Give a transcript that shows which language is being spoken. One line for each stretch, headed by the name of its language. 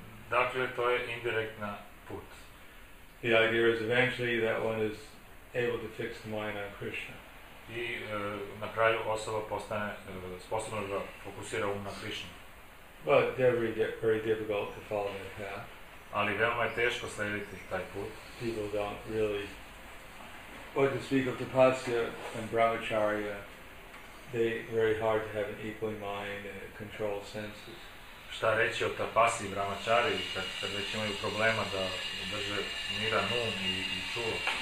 Croatian: Dakle, to je indirektna put.
English: The idea is eventually that one is able to fix the mind on Krishna.
Croatian: I na kraju osoba postane sposobna da fokusira um na Krishna.
English: But very, very difficult to follow that path.
Croatian: Ali veoma je teško slediti taj put.
English: People don't really... Or to speak of tapasya and brahmacharya, they very hard to have an equal mind and control senses.
Croatian: Šta reći o tapasi, brahmačari, kad već imaju problema da drže miran um i čulo.